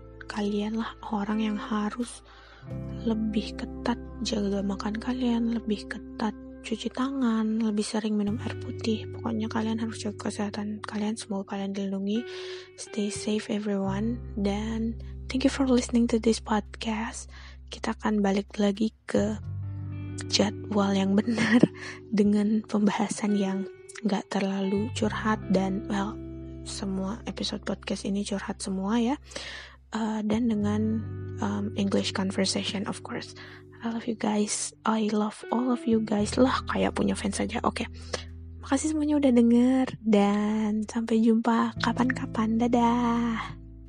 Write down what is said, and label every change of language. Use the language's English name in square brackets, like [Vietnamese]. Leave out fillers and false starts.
[Indonesian] Kalianlah orang yang harus lebih ketat jaga makan kalian, lebih ketat cuci tangan, lebih sering minum air putih. Pokoknya kalian harus jaga kesehatan kalian, semoga kalian dilindungi. [English] Stay safe everyone, [Indonesian] dan [English] thank you for listening to this podcast. [Indonesian] Kita akan balik lagi ke jadwal yang benar dengan pembahasan yang gak terlalu curhat. Dan well, semua episode podcast ini curhat semua ya, dan dengan [English] English conversation of course. I love you guys, I love all of you guys. [Indonesian] Lah kayak punya fans aja. Oke, makasih semuanya udah denger, dan sampai jumpa kapan-kapan. Dadah.